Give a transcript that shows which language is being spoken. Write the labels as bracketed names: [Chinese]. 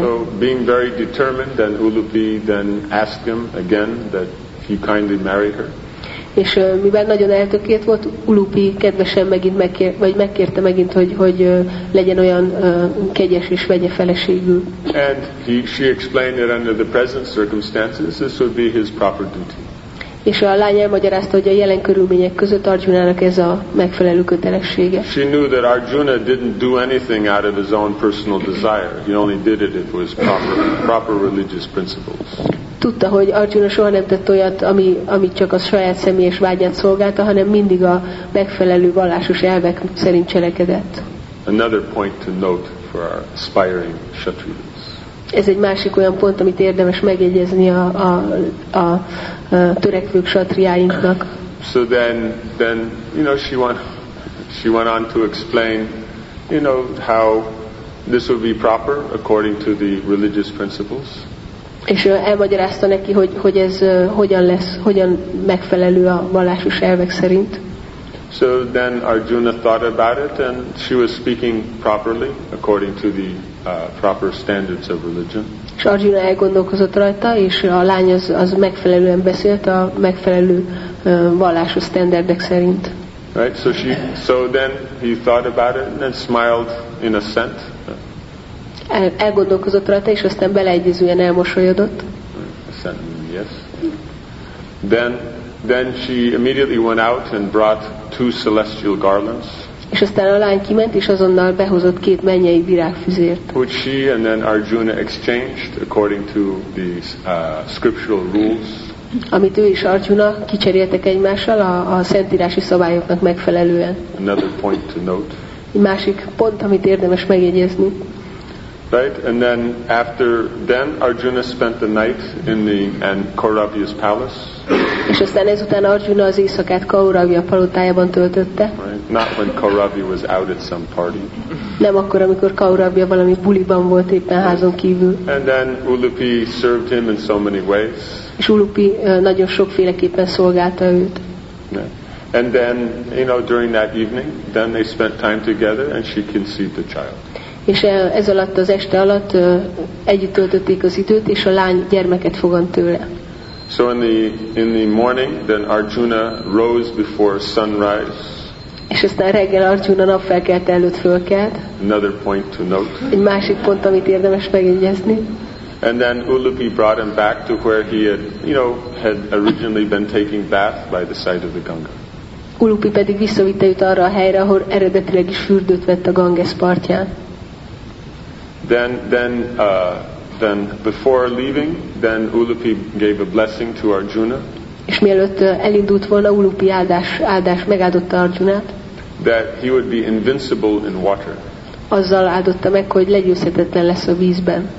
[English] So being very determined, then Ulupi then asked him again that he kindly marry her. [Hungarian] És mivel nagyon eltökélt volt, Ulupi kedvesen megint megkérte megint, hogy legyen olyan kegyes és vegye feleségül. [English] And she explained that under the present circumstances, this would be his proper duty. [Hungarian] És a lány elmagyarázta, hogy a jelen körülmények között Arjunának ez a megfelelő kötelessége. [English] She knew that Arjuna didn't do anything out of his own personal desire. He only did it if it was proper religious principles. [Hungarian] Tudta, hogy Arjuna soha nem tett olyat, amit csak a saját személyes vágyát szolgálta, hanem mindig a megfelelő vallásos elvek szerint cselekedett. [English] Another point to note for our aspiring kshatriyas. [Hungarian] Ez egy másik olyan pont, amit érdemes megjegyezni a törekvő kshatriáinknak. [English] So then you know she went on to explain, you know, how this would be proper according to the religious principles. [Hungarian] És elmagyarázta neki, hogy ez hogyan lesz, hogyan megfelelő a vallásos elvek szerint. [English] So then Arjuna thought about it and she was speaking properly according to the proper standards of religion. [Hungarian] És Arjuna elgondolkozott rajta, és a lány az megfelelően beszélt a megfelelő vallásos standardek szerint. [English] Right, so then he thought about it and smiled in assent. [Hungarian] Elgondolkozott rajta, és aztán beleegyezően elmosolyodott. [English] Yes. Then she immediately went out and brought two celestial garlands. [Hungarian] És aztán a lány kiment, és azonnal behozott két mennyei virágfüzért. [English] Which she and then Arjuna exchanged according to the scriptural rules. [Hungarian] Amit ő és Arjuna kicseréltek egymással a szentírási szabályoknak megfelelően. [English] Another point to note. [Hungarian] Egy másik pont, amit érdemes megjegyezni. [English] Right, and then after then Arjuna spent the night in Kauravya's palace. [Hungarian] És aztán ezután Arjuna az éjszakát Kauravya palotájában töltötte. [English] Right, not when Kauravya was out at some party. [Hungarian] Nem akkor, amikor Kauravya valami buliban volt éppen házon kívül. [English] And then Ulupi served him in so many ways. [Hungarian] És Ulupi nagyon sokféleképpen szolgálta őt. [English] Yeah. And then, you know, during that evening, then they spent time together and she conceived a child. [Hungarian] És ez alatt, az este alatt együtt töltötték az időt, és a lány gyermeket fogant tőle. [English] So in the morning, then Arjuna rose before sunrise. [Hungarian] És aztán reggel Arjuna napfelkelt előtt fölkelt. [English] Another point to note. [Hungarian] Egy másik pont, amit érdemes megjegyezni. [English] And then Ulupi brought him back to where he had, you know, had originally been taking bath by the side of the Ganga. [Hungarian] Ulupi pedig visszavitte őt arra a helyre, ahol eredetileg is fürdőt vett a Ganges partján. [English] Then before leaving, then Ulupi gave a blessing to Arjuna. [Hungarian] És mielőtt elindult volna, Ulupi áldás megáldotta Arjunát. [English] That he would be invincible in water. [Hungarian] Azzal áldotta meg, hogy legyőzhetetlen lesz a vízben.